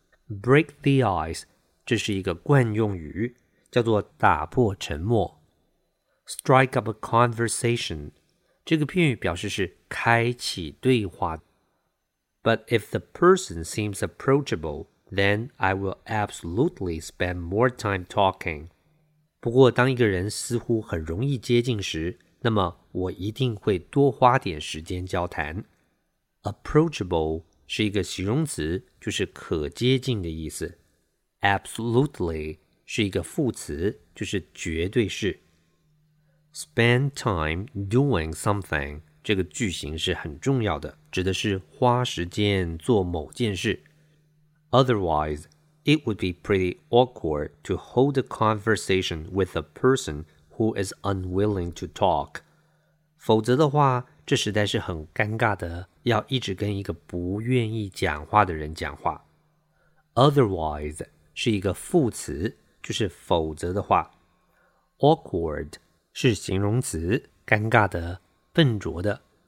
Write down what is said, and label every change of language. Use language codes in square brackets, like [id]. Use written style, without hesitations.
[en] Break the ice, [zh] 这是一个惯用语，叫做打破沉默。 [en] Strike up a conversation, [zh] 这个片语表示是开启对话。 [en] But if the person seems approachable,Then I will absolutely spend more time talking. [zh] 不过当一个人似乎很容易接近时，那么我一定会多花点时间交谈。 Approachable 是一个形容词，就是可接近的意思。 Absolutely 是一个副词，就是绝对是。 [en] Spend time doing something [zh] 这个句型是很重要的，指的是花时间做某件事。 [en] Otherwise, it would be pretty awkward to hold a conversation with a person who is unwilling to talk. [zh] 否则的话，这实在是很尴尬的，要一直跟一个不愿意讲话的人讲话。 Otherwise 是一个副词，就是否则的话。 Awkward 是形容词，尴尬的，笨拙的。